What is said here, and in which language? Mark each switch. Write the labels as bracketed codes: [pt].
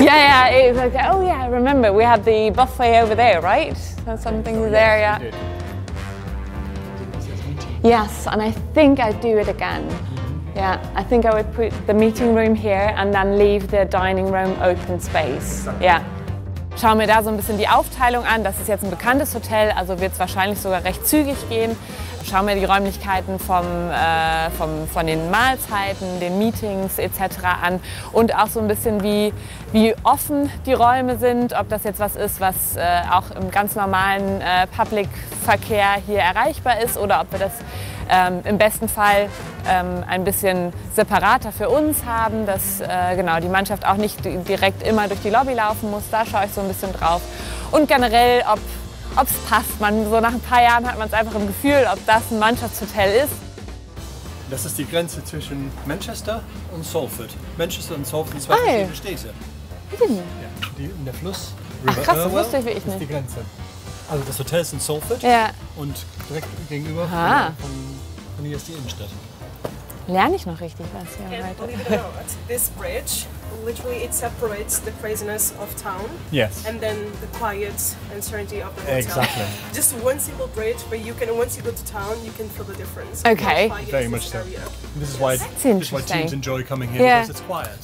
[en] Yeah, it's okay. Oh, yeah, I remember. We have the buffet over there, right? There's something there, yeah. Yes, and I think I'd do it again. Mm-hmm. Yeah, I think I would put the meeting room here and then leave the dining room open space. Exactly. Yeah. [de] Schauen wir da so ein bisschen die Aufteilung an. Das ist jetzt ein bekanntes Hotel, also wird es wahrscheinlich sogar recht zügig gehen. Schauen wir die Räumlichkeiten von den Mahlzeiten, den Meetings etc. an und auch so ein bisschen, wie offen die Räume sind, ob das jetzt was ist, was auch im ganz normalen Public-Verkehr hier erreichbar ist oder ob wir das im besten Fall ein bisschen separater für uns haben, dass die Mannschaft auch nicht direkt immer durch die Lobby laufen muss. Da schaue ich so ein bisschen drauf. Und generell, ob es passt. Nach ein paar Jahren hat man es einfach im Gefühl, ob das ein Mannschaftshotel ist. Das ist die Grenze zwischen Manchester und Salford. Manchester und Salford sind zwei verschiedene Städte. Der Fluss, River Ach, krass, das wusste ich, wie ich ist nicht. Die Grenze. Also das Hotel ist in Salford und direkt gegenüber von hier ist die Innenstadt. Lerne ich noch richtig was hier heute? [en] Believe it or not, this bridge literally it separates the craziness of town. Yes. And then the quiet and serenity of the hotel. Exactly. Just one simple bridge, but you can once you go to town, you can feel the difference. Okay. Very much so. This is why teams enjoy coming here because it's quiet.